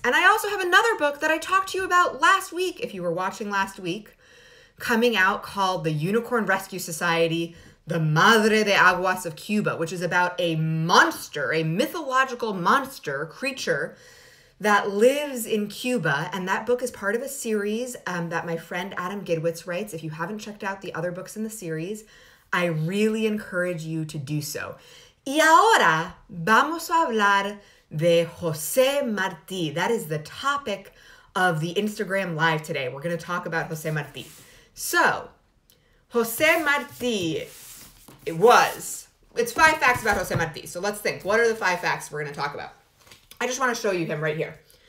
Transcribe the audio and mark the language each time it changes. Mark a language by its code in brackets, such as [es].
[en] And I also have another book that I talked to you about last week, if you were watching last week, coming out called The Unicorn Rescue Society, The Madre de Aguas of Cuba, which is about a monster, a mythological monster creature that lives in Cuba. And that book is part of a series that my friend Adam Gidwitz writes. If you haven't checked out the other books in the series, I really encourage you to do so. [es] Y ahora vamos a hablar de José Martí. [en] That is the topic of the Instagram Live today. We're going to talk about José Martí. So, José Martí. It was. It's five facts about José Martí. So let's think. What are the five facts we're going to talk about? I just want to show you him right here.